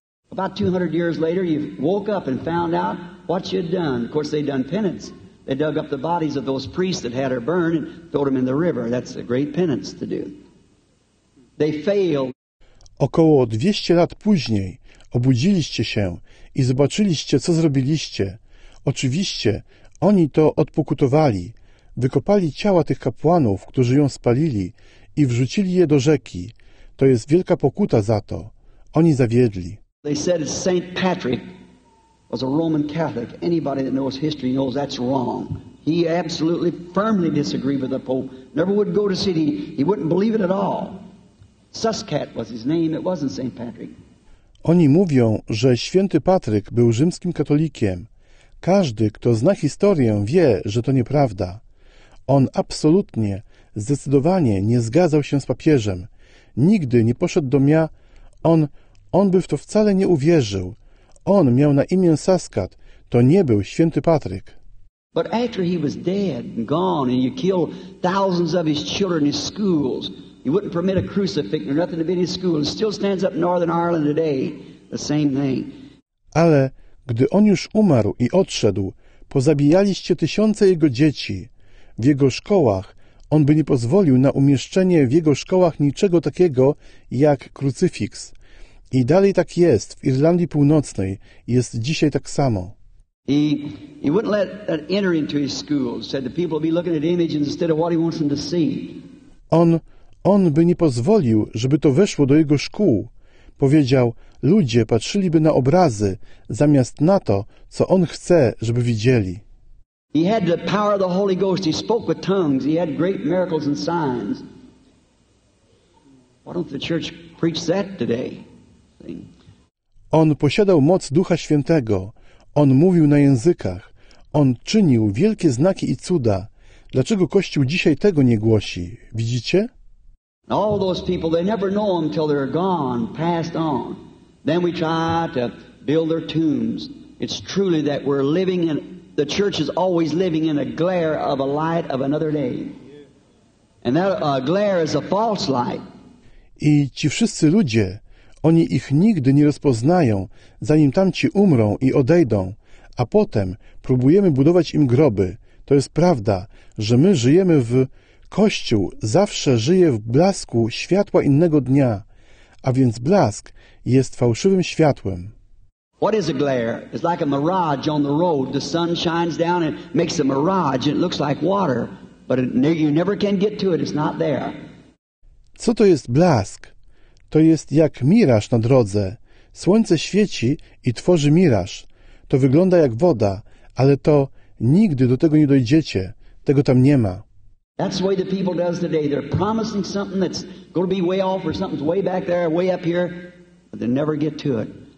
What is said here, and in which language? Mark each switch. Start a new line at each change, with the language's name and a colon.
English: About 200 years later, you woke up and found out what you'd done. Of course, they'd done penance. They dug up the bodies of those priests that had her burned and throwed them in the river. That's a great penance to do. They failed.
Polish: Około 200 lat później obudziliście się i zobaczyliście, co zrobiliście. Oczywiście, oni to odpokutowali. Wykopali ciała tych kapłanów, którzy ją spalili, i wrzucili je do rzeki. To jest wielka pokuta za to. Oni zawiedli.
English: They said St. Patrick was a Roman Catholic. Anybody that knows history knows that's wrong. He absolutely firmly disagreed with the Pope. Never would go to city. He wouldn't believe it at all. Suscat was his name. It wasn't St. Patrick.
Polish: Oni mówią, że święty Patryk był rzymskim katolikiem. Każdy, kto zna historię, wie, że to nieprawda. On absolutnie, zdecydowanie nie zgadzał się z papieżem. Nigdy nie poszedł do mia. On by w to wcale nie uwierzył. On miał na imię Suscat. To nie był święty Patryk.
English: But after he was dead and gone and you killed thousands of his children in his schools, he wouldn't permit a crucifix or nothing to be in his school. It still stands up in Northern Ireland today. The same thing.
Polish: Ale gdy on już umarł i odszedł, pozabijaliście tysiące jego dzieci. W jego szkołach on by nie pozwolił na umieszczenie w jego szkołach niczego takiego jak krucyfiks. I dalej tak jest w Irlandii Północnej, jest dzisiaj tak samo.
English: He wouldn't let that enter into his school. Said the people will be looking at images instead of what he wants them to see.
Polish: On by nie pozwolił, żeby to weszło do jego szkół. Powiedział, ludzie patrzyliby na obrazy zamiast na to, co on chce, żeby widzieli.
English: He had the power of the Holy Ghost. He spoke with tongues. He had great miracles and signs. Why don't the church preach that today?
Polish: On posiadał moc Ducha Świętego. On mówił na językach. On czynił wielkie znaki i cuda. Dlaczego Kościół dzisiaj tego nie głosi? Widzicie?
English: All those people, they never know them till they're gone, passed on. Then we try to build their tombs. It's truly that we're living in, the church is always living in a glare of a light of another day. And that glare is a false light.
Polish: I ci wszyscy ludzie, oni ich nigdy nie rozpoznają, zanim tamci umrą i odejdą, a potem próbujemy budować im groby. To jest prawda, że my żyjemy w... Kościół zawsze żyje w blasku światła innego dnia, a więc blask jest fałszywym światłem.
English: What is a glare? It's like a mirage on the road. The sun shines down and makes a mirage and it looks like water, but you never can get to it. It's not there.
Polish: Co to jest blask? To jest jak miraż na drodze. Słońce świeci i tworzy miraż. To wygląda jak woda, ale to nigdy do tego nie dojdziecie. Tego tam nie ma.
English: That's the way the people does today. They're promising something that's going to be way off or something's way back there, way up here, but they never get to it.